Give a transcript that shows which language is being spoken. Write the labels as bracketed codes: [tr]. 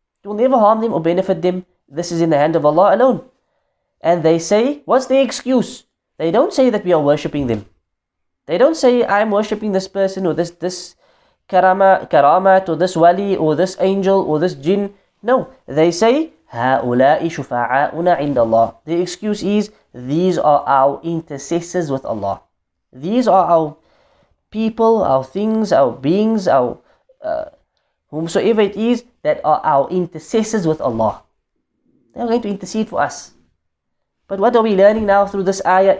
[en] It will never harm them or benefit them. This is in the hand of Allah alone. And they say, what's the excuse? They don't say that we are worshipping them. They don't say, I'm worshipping this person or this karamat or this wali or this angel or this jinn. [ar] No, they say, هَؤُلَاءِ شُفَعَاءُنَا عِنْدَ اللَّهِ. [en] The excuse is, these are our intercessors with Allah. These are our people, our things, our beings, our whomsoever it is, that are our intercessors with Allah. They are going to intercede for us. But what are we learning now through this ayah?